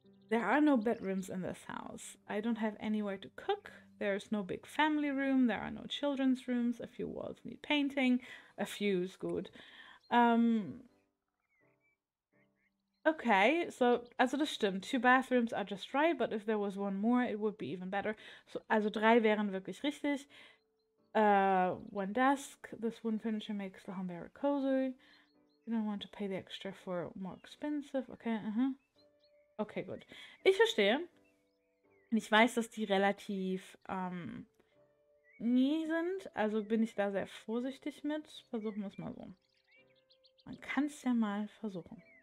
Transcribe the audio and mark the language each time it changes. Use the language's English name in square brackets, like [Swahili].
[English] There are no bedrooms in this house. I don't have anywhere to cook. There is no big family room. There are no children's rooms. A few walls need painting. A few is good. Okay, so, [German] also das stimmt. [English] Two bathrooms are just right, but if there was one more, it would be even better. [German] So, also drei wären wirklich richtig. [English] One desk. This wooden furniture makes the home very cozy. You don't want to pay the extra for more expensive. [German] Okay, Okay, gut. Ich verstehe. Und ich weiß, dass die relativ nie sind. Also bin ich da sehr vorsichtig mit. Versuchen wir es mal so. Man kann es ja mal versuchen.